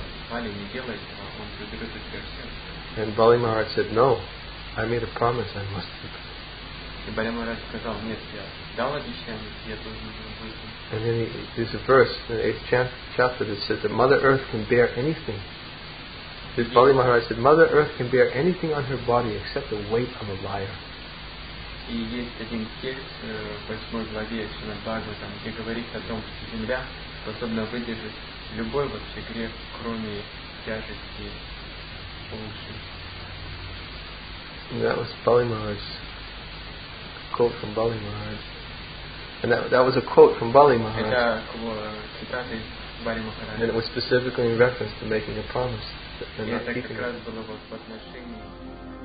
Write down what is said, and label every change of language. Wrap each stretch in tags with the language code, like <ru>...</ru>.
<en>And Bali Maharaj said, no, I made a promise, I must keep it. And then there's a verse in the 8th chapter that says that Mother Earth can bear anything. This Bali Maharaj said, Mother Earth can bear anything on her body except the weight of a liar.</en> <ru>И есть один текст в 8 главе Шримад-Бхагава, там, где говорится о том, что Земля способна выдержать любой вообще грех, кроме тяжести уши.</ru> <en>That was Bali Maharaj's quote from Bali Maharaj. And that was a quote from Bali Maharaj.</en> <ru>Это цитата из Бали Махараджа.</ru> <en>And it was specifically in reference to making a promise.</en> <ru>И это как раз было вот в отношении...</ru>